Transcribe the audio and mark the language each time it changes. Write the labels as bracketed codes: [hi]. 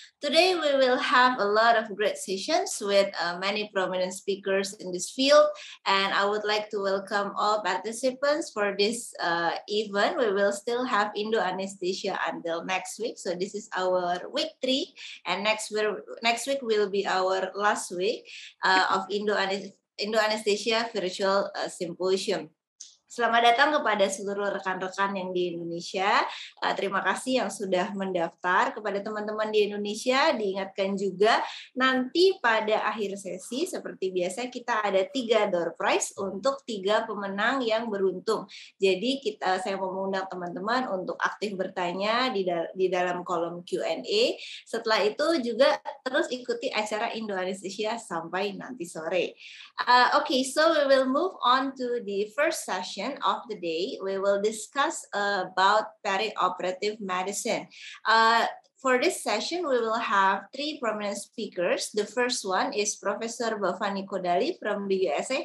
[en] Today we will have a lot of great sessions with many prominent speakers in this field, and I would like to welcome all participants for this event. We will still have Indoanesthesia until next week. So this is our week 3, and next week will be our last week of Indoanesthesia Virtual Symposium. [id] Selamat datang kepada seluruh rekan-rekan yang di Indonesia. Terima kasih yang sudah mendaftar. Kepada teman-teman di Indonesia, diingatkan juga nanti pada akhir sesi, seperti biasa kita ada 3 door prize untuk 3 pemenang yang beruntung. Jadi saya mau mengundang teman-teman untuk aktif bertanya di dalam kolom Q&A. Setelah itu juga terus ikuti acara Indoanesthesia sampai nanti sore. [en] Okay, so we will move on to the first session of the day. We will discuss about perioperative medicine. For this session, we will have 3 prominent speakers. The first one is Professor Bhavani Kodali from the USA.